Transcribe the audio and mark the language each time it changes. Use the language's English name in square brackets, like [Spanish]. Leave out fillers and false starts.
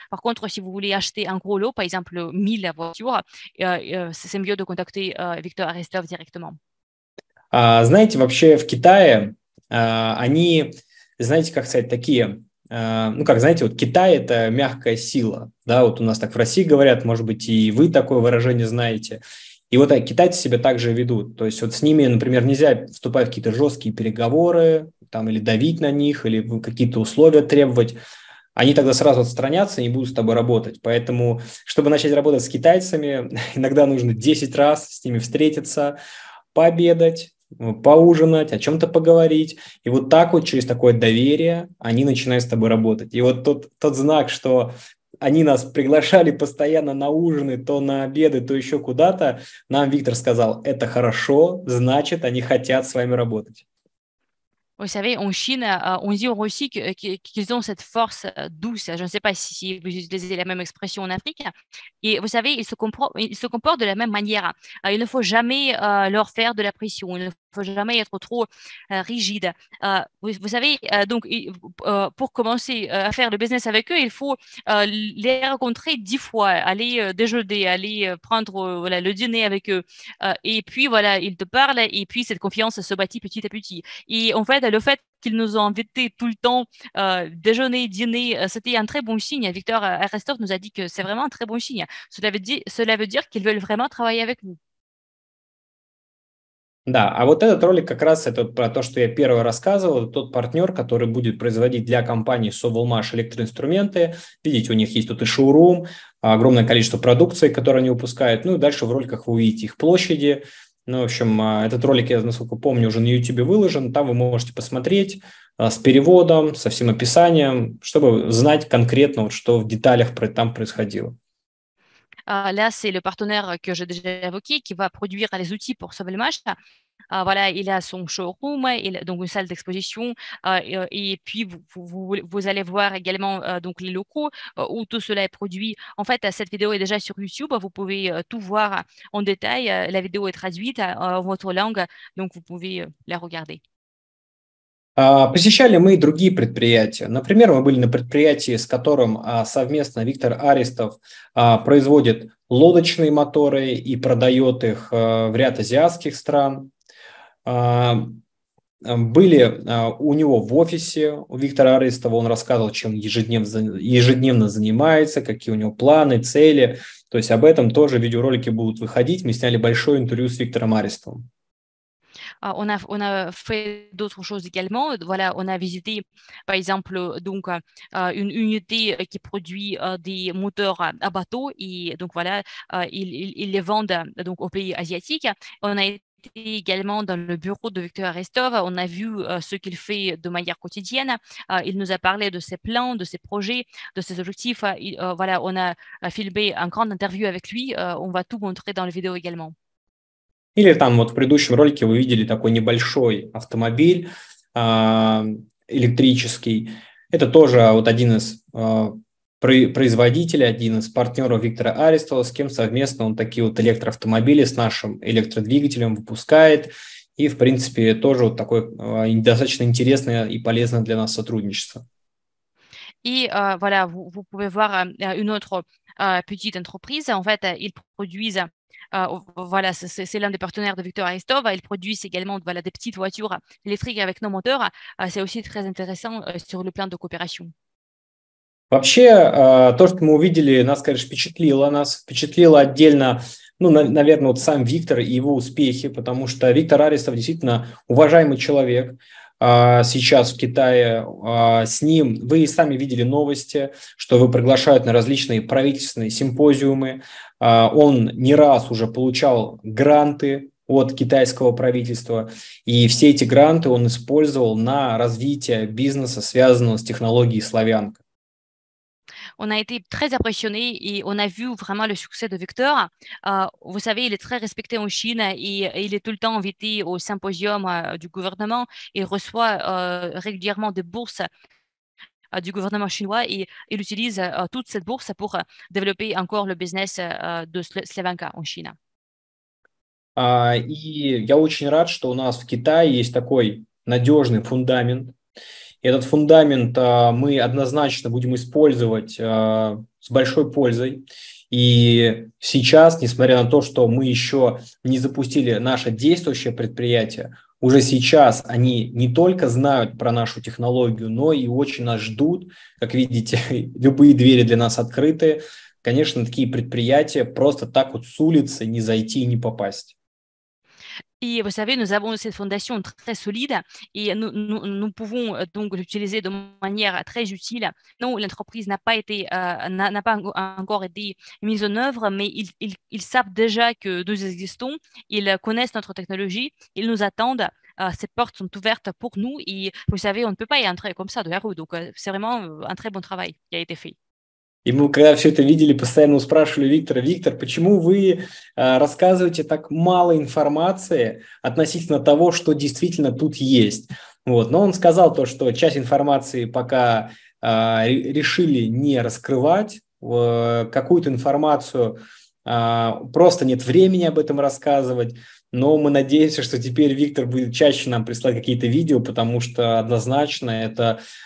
[French] Par contre, si vous voulez acheter un gros lot, par exemple 1000 voitures, c'est mieux de contacter Victor Arestov directement. [Russian] Знаете, вообще в Китае они, знаете, как сказать, такие, ну, как, знаете, вот Китай – это мягкая сила, да, вот у нас так в России говорят, может быть, и вы такое выражение знаете, и вот китайцы себя так же ведут, то есть вот с ними, например, нельзя вступать в какие-то жесткие переговоры, там, или давить на них, или какие-то условия требовать, они тогда сразу отстранятся и не будут с тобой работать, поэтому, чтобы начать работать с китайцами, иногда нужно 10 раз с ними встретиться, пообедать, поужинать, о чем-то поговорить. И вот так вот, через такое доверие, они начинают с тобой работать. И вот тот знак, что они нас приглашали постоянно на ужины, то на обеды, то еще куда-то, нам Виктор сказал, это хорошо, значит, они хотят с вами работать. [French] Vous savez, en Chine, on dit aussi qu'ils ont cette force douce. Je ne sais pas si vous utilisez la même expression en Afrique. Et vous savez, ils se comportent de la même manière. Il ne faut jamais leur faire de la pression. Il ne faut jamais être trop rigide. Vous savez, donc, pour commencer à faire le business avec eux, il faut les rencontrer 10 fois, aller déjeuner, aller prendre le dîner avec eux. Et puis, voilà, ils te parlent et puis cette confiance se bâtit petit à petit. Et en fait, le fait qu'ils nous ont invités tout le temps déjeuner, dîner, c'était un très bon signe. Victor Arestov nous a dit que c'est vraiment un très bon signe. Cela veut dire qu'ils veulent vraiment travailler avec nous. [Russian] Да, а вот этот ролик как раз это про то, что я первый рассказывал, тот партнер, который будет производить для компании Sovelmash электроинструменты. Видите, у них есть тут и шоурум, огромное количество продукции, которые они выпускают. Ну и дальше в роликах вы увидите их площади. Ну, в общем, этот ролик, я, насколько помню, уже на YouTube выложен. Там вы можете посмотреть с переводом, со всем описанием, чтобы знать конкретно, вот, что в деталях там происходило. [French] Là, c'est le partenaire que j'ai déjà évoqué qui va produire les outils pour Sovelmash. Voilà, il a son showroom, donc une salle d'exposition. Et puis, vous allez voir également donc les locaux où tout cela est produit. En fait, cette vidéo est déjà sur YouTube. Vous pouvez tout voir en détail. La vidéo est traduite en votre langue, donc vous pouvez la regarder. [Russian] Посещали мы и другие предприятия. Например, мы были на предприятии, с которым совместно Виктор Арестов производит лодочные моторы и продает их в ряд азиатских стран. Были у него в офисе, у Виктора Арестова, он рассказывал, чем ежедневно занимается, какие у него планы, цели. То есть об этом тоже видеоролики будут выходить. Мы сняли большое интервью с Виктором Арестовым. [French] on a fait d'autres choses également. Voilà, on a visité, par exemple, donc une unité qui produit des moteurs à bateau, et donc voilà, ils les vendent donc aux pays asiatiques. On a été également dans le bureau de Victor Arestov. On a vu ce qu'il fait de manière quotidienne. Il nous a parlé de ses plans, de ses projets, de ses objectifs. Voilà, on a filmé une grande interview avec lui. On va tout montrer dans la vidéo également. [Russian] Или там вот в предыдущем ролике вы видели такой небольшой автомобиль электрический. Это тоже вот один из производителей, один из партнеров Виктора Арестова, с кем совместно он такие вот электроавтомобили с нашим электродвигателем выпускает. И, в принципе, тоже вот такое достаточно интересное и полезное для нас сотрудничество. [French] И, voilà, vous pouvez voir une autre petite entreprise. En fait, ils produisent... voilà, c'est l'un des partenaires de Victor Arestov. Ils produisent également voilà, des petites voitures électriques avec nos moteurs. C'est aussi très intéressant sur le plan de coopération. [Russian] Вообще, то, что мы увидели, нас, конечно, впечатлило. Нас впечатлило отдельно, ну, наверное, вот сам Виктор и его успехи, потому что Виктор Арестов действительно уважаемый человек сейчас в Китае. С ним вы и сами видели новости, что его приглашают на различные правительственные симпозиумы. Он не раз уже получал гранты от китайского правительства, и все эти гранты он использовал на развитие бизнеса, связанного с технологией «Славянка». [French] On a été très impressionnés et on a vu vraiment le succès de Victor. Vous savez, il est très respecté en Chine et il est tout le temps invité au symposium du gouvernement. Il reçoit régulièrement des bourses du gouvernement chinois et il utilise toute cette bourse pour développer encore le business de Slavanka en Chine. [Russian] И я очень рад, что у нас в Китае есть такой надежный фундамент. И этот фундамент мы однозначно будем использовать с большой пользой. И сейчас, несмотря на то, что мы еще не запустили наше действующее предприятие, уже сейчас они не только знают про нашу технологию, но и очень нас ждут. Как видите, любые двери для нас открыты. Конечно, такие предприятия просто так вот с улицы не зайти и не попасть. [French] Et vous savez, nous avons cette fondation très solide et nous pouvons donc l'utiliser de manière très utile. Non, l'entreprise n'a pas encore été mise en œuvre, mais ils savent déjà que nous existons, ils connaissent notre technologie, ils nous attendent, ces portes sont ouvertes pour nous et vous savez, on ne peut pas y entrer comme ça de la rue. Donc, c'est vraiment un très bon travail qui a été fait. [Russian] И мы, когда все это видели, постоянно спрашивали Виктора: «Виктор, почему вы рассказываете так мало информации относительно того, что действительно тут есть?» Вот. Но он сказал то, что часть информации пока решили не раскрывать, какую-то информацию просто нет времени об этом рассказывать, но мы надеемся, что теперь Виктор будет чаще нам присылать какие-то видео, потому что однозначно это...